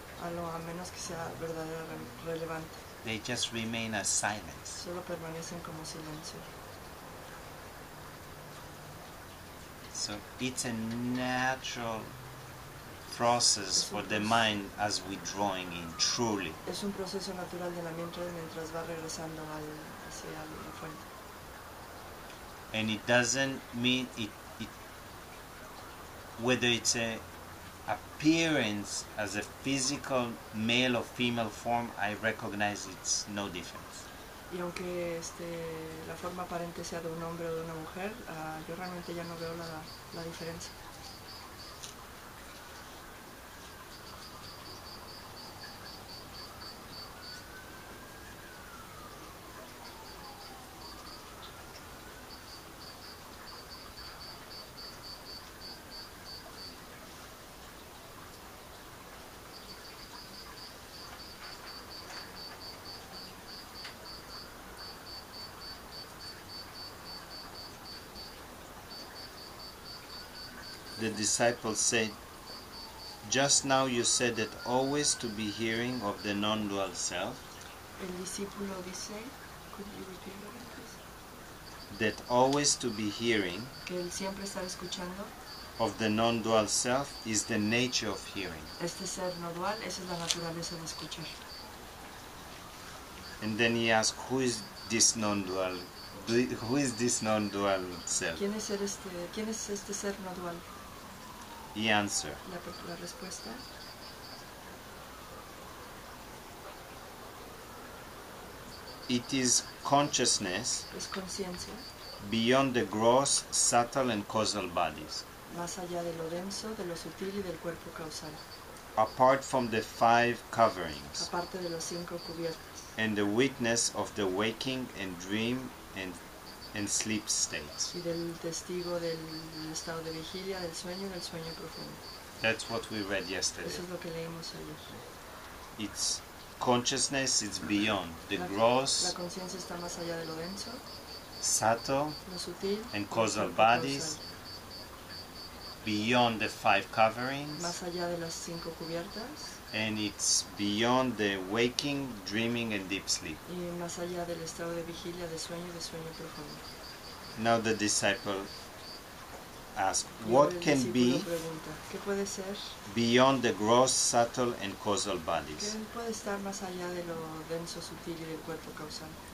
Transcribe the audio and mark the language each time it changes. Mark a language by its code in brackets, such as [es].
[es] A menos que sea verdaderamente relevante. [en] They just remain as silence. [es] Solo permanecen como silencio. [en] So it's a natural process for the mind as we drawing in truly. [es] Es un proceso natural de la mente mientras va regresando hacia la fuente. [en] And it doesn't mean it whether it's a appearance as a physical male or female form, I recognize it's no difference. [es] Y aunque la forma aparente sea de un hombre o de una mujer, yo realmente ya no veo la diferencia. [en] The disciple said, just now you said that always to be hearing of the non-dual self. [es] El discípulo dice, [en] could you repeat that, please? That always to be hearing, [es] que él siempre estar escuchando, [en] of the non-dual self is the nature of hearing. [es] Este ser no dual, esa es la naturaleza de escuchar. [en] And then he asked, who is this non-dual self? [es] ¿Quién es este ser no dual? [en] The answer. [es] La respuesta. [en] It is consciousness. [es] Es conciencia. [en] Beyond the gross, subtle, and causal bodies. [es] Más allá de lo denso, de lo sutil y del cuerpo causal. [en] Apart from the five coverings. [es] Aparte de los cinco cubiertos. [en] And the witness of the waking and dream and sleep states. [es] Y del testigo del estado de vigilia, del sueño y del sueño profundo. [en] That's what we read yesterday. [es] Eso es lo que leímos ayer. [en] It's consciousness, it's beyond the gross. [es] La conciencia está más allá de lo denso. Sato, lo sutil. [en] And causal bodies. Beyond the five coverings. [es] Más allá de las cinco cubiertas. [en] And it's beyond the waking, dreaming, and deep sleep. [es] Y más allá del estado de vigilia, de sueño profundo. [en] Now the disciple asks, what can be [es] pregunta, ¿qué puede ser [en] beyond the gross, subtle, and causal bodies? [es] ¿Qué puede estar más allá de lo denso, sutil y del cuerpo causal?